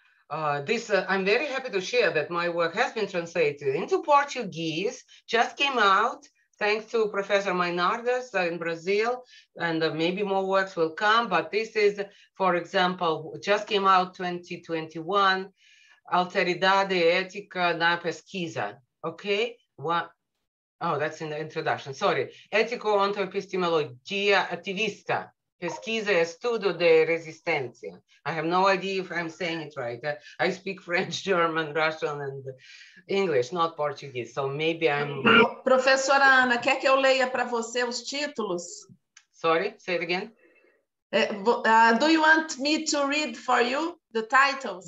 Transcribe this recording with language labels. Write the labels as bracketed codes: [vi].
[en] I'm very happy to share that my work has been translated into Portuguese, just came out thanks to Professor Maynardes in Brazil, and maybe more works will come, but this is, for example, just came out 2021, [pt] Alteridade Ética na Pesquisa, [en] okay? That's in the introduction, sorry. [pt] Ético Ontoepistemologia Ativista. Pesquisa estudo de resistência. [en] I have no idea if I'm saying it right. I speak French, German, Russian, and English, not Portuguese. So maybe I'm... [pt] Professora Ana, quer que eu leia para você os títulos? [en] Sorry, say it again. Do you want me to read for you the titles?